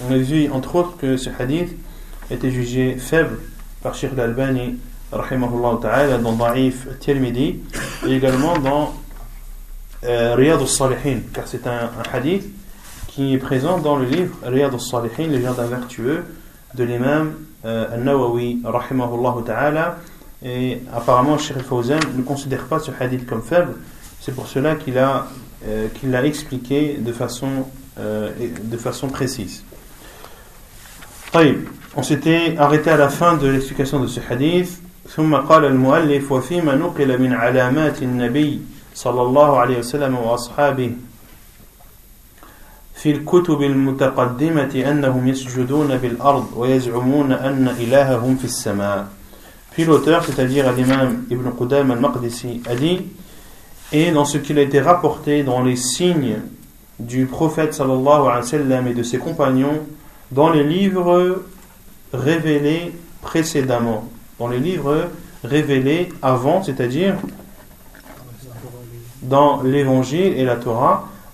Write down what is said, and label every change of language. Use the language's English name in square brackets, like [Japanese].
[French] On a vu entre autres que ce hadith était jugé faible par Cheikh l'Albani rahimahullah ta'ala dans Da'if Tirmidhi et également dans Riyad al-Salihin, car c'est un hadith qui est présent dans le livre Riyad al-Salihin, le jardin vertueux de l'imam al-Nawawi rahimahullah ta'ala. Et apparemment Cheikh Fawzan ne considère pas ce hadith comme faible, c'est pour cela qu'il l'a expliqué de façon précise. طيب, on s'était arrêté à la fin de l'explication de ce hadith. [Arabic] ثم قال المؤلف وفيما نقل من علامات النبي صلى الله عليه وسلم وأصحابه في الكتب المتقدمة أنهم يسجدون بالأرض ويزعمون أن إلههم في السماء. في الأوتور تتجير الإمام ابن قدام المقدسي أدي [French] et dans ce qu'il a été rapporté dans les signes du prophète صلى الله عليه وسلم et de ses compagnons dans les livres révélés précédemment, dans les livres révélés avant, c'est-à-dire dans l'Évangile et la Torah,